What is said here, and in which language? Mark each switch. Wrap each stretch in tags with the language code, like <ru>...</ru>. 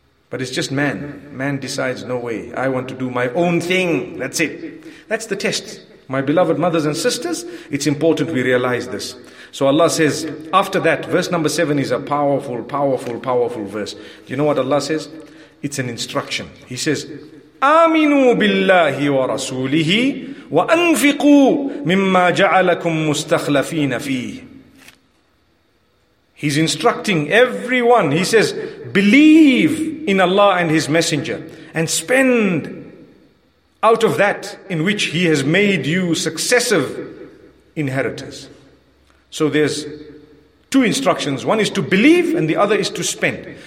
<en>But it's just man. Man decides, no way. I want to do my own thing. That's it. That's the test. My beloved mothers and sisters, it's important we realize this. So Allah says, after that, verse number 7 is a powerful, powerful, powerful verse. Do you know what Allah says? It's an instruction. He says,</en> <ar>آمِنُوا بِاللَّهِ وَرَسُولِهِ وَأَنْفِقُوا مِمَّا جَعَلَكُمْ مُسْتَخْلَفِينَ فِيهِ</ar> <en>He's instructing everyone. He says, believe in Allah and His Messenger and spend out of that in which He has made you successive inheritors. So there's two instructions. One is to believe and the other is to spend.</en>